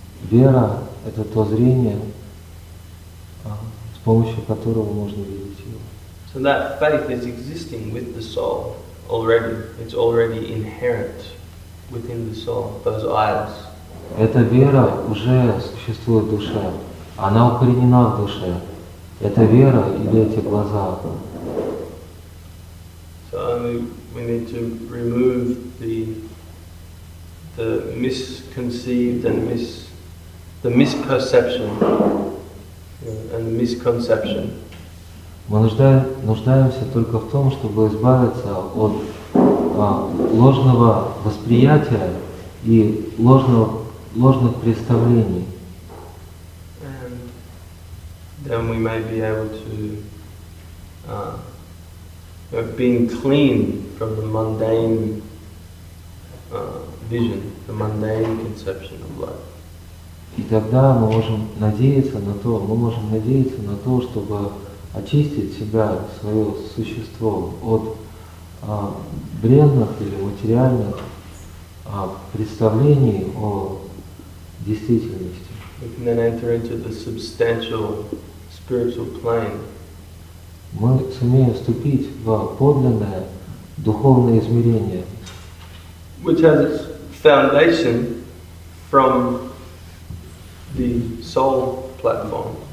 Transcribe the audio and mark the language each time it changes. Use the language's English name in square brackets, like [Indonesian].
[Russian] Вера – это то зрение, с помощью которого можно видеть его. [English] So that faith is existing with the soul already. It's already inherent within the soul, those eyes. [Russian] Эта вера уже существует в душе. Она укоренена в душе. Эта вера или эти глаза. [English] So only we need to remove the misconceived and misperception and misconception. [Russian] Мы нуждаемся только в том, чтобы избавиться от ложного восприятия и ложных представлений. [English] And then we may be able to being clean from the mundane vision, the mundane conception of life. [Russian] И тогда мы можем надеяться на то, чтобы очистить себя, свое существо от бренных или материальных представлений о действительности. [English] We can then enter into the substantial spiritual plane. [Russian] Мы сумеем вступить в подлинное духовное измерение, [English] which has its foundation from the soul platform.